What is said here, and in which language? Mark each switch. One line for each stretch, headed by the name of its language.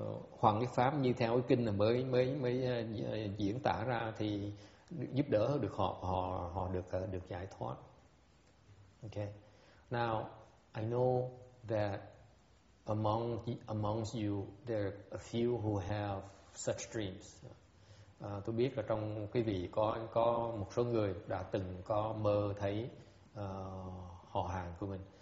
Vietnamese: Hoằng cái pháp như theo cái kinh là mới diễn tả ra thì giúp đỡ được họ được giải thoát.
English: Okay. Now I know that amongst you there are a few who have such dreams.
Vietnamese: Tôi biết là trong quý vị có một số người đã từng có mơ thấy họ hàng của mình.